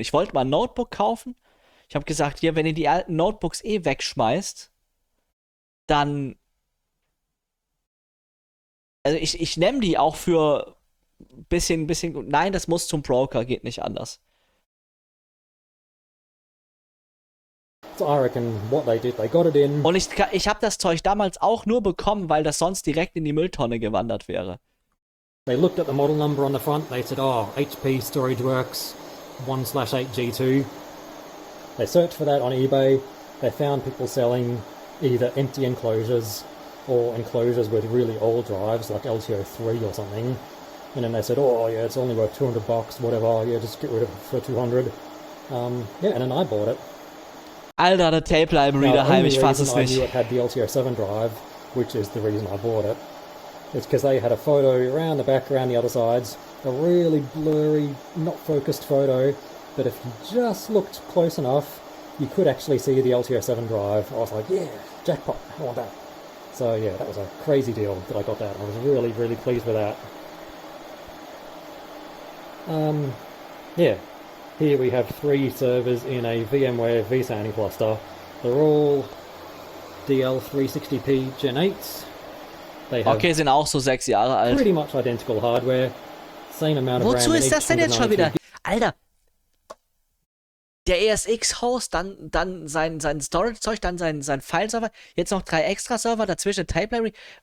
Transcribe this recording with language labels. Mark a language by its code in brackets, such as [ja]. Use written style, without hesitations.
[de] Ich wollte mal ein Notebook kaufen. Ich habe gesagt, ja, wenn ihr die alten Notebooks eh wegschmeißt, dann... Also ich nehme die auch für... Bisschen, nein, das muss zum Broker, geht nicht anders. [en] So I reckon what they did, they got it in. [de] Und ich habe das Zeug damals auch nur bekommen, weil das sonst direkt in die Mülltonne gewandert wäre. [en] They looked at the model number on the front, they said, oh, HP StorageWorks 1/8G2. They searched for that on eBay, they found people selling either empty enclosures or enclosures with really old drives, like LTO3 or something. And then they said, oh, yeah, it's only worth 200 bucks, whatever, yeah, just get rid of it for 200. Yeah, and then I bought it. [de] Alter, [en] the tape library [de] daheim, ich fass es nicht. [en] I knew it had the LTO7 drive, which is the reason I bought it. It's because they had a photo around the back, around the other sides, a really blurry, not focused photo, but if you just looked close enough, you could actually see the LTO7 drive. I was like, yeah, jackpot, I want that. So, yeah, that was a crazy deal that I got that. I was really, really pleased with that. Yeah, here we have 3 servers in a VMware vSAN cluster. They're all DL360P Gen 8s. They have okay, [de] sind auch so 6 Jahre alt. [en] Pretty much identical hardware, same amount of [de] wozu [en] RAM. [de] Wozu ist das denn jetzt schon wieder? Alter, der ESX-Host, dann sein Storage-Zeug, dann sein File-Server, jetzt noch 3 Extra-Server, dazwischen Type-Library.